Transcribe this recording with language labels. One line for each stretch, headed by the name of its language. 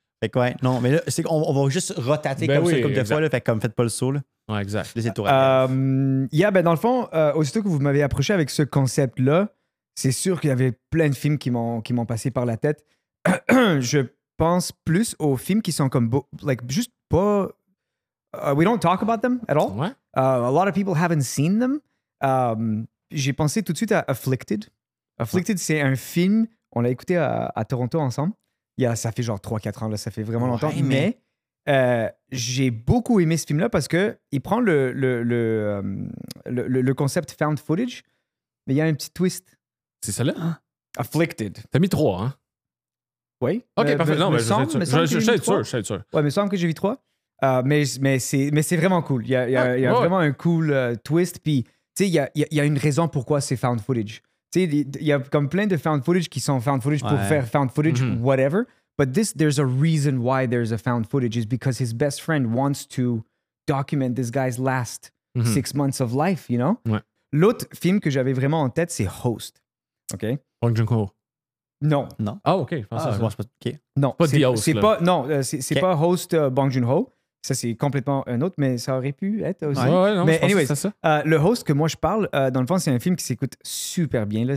French: Fait que ouais, non, mais là, c'est qu'on va juste rotater ben comme oui, ça, comme des fois, là, fait comme, faites pas le saut. Là. Ouais, exact. Laissez tout Ben dans le fond, aussitôt que vous m'avez approché avec ce concept-là, c'est sûr qu'il y avait plein de films qui m'ont passé par la tête. Je pense plus aux films qui sont comme, juste.
English: But we don't talk about them at all. A lot of people haven't seen them.
French: J'ai pensé tout de suite à Afflicted. Afflicted, ouais. C'est un film, on l'a écouté à Toronto ensemble. Ça fait genre 3-4 ans, là, ça fait vraiment longtemps. Ouais, mais j'ai beaucoup aimé ce film-là parce qu'il prend le concept found footage, mais il y a un petit twist. C'est ça-là? Hein? Afflicted. T'as mis 3, hein? Oui. OK, parfait. Non, mais je sais être sûr. Ouais, mais il me semble que j'ai vu 3. Mais c'est vraiment cool. Il y a vraiment un cool twist. Puis, tu sais, il y a une raison pourquoi c'est found footage. Tu sais, il y a comme plein de found footage qui sont found footage pour faire found footage, whatever.
English: But this, there's a reason why there's a found footage. It's because his best friend wants to document this guy's last 6 months of life, you know?
French: Ouais. L'autre film que j'avais vraiment en tête, c'est Host. OK? Bong Joon-ho. Non. Non. Ah, OK. Je pense pas. OK. Non. Pas The Host. C'est pas Host Bong Joon-ho. Ça, c'est complètement un autre, mais ça aurait pu être aussi. Ouais, ouais, non, mais anyways, ça. Le host que moi, je parle, dans le fond, c'est un film qui s'écoute super bien. Là.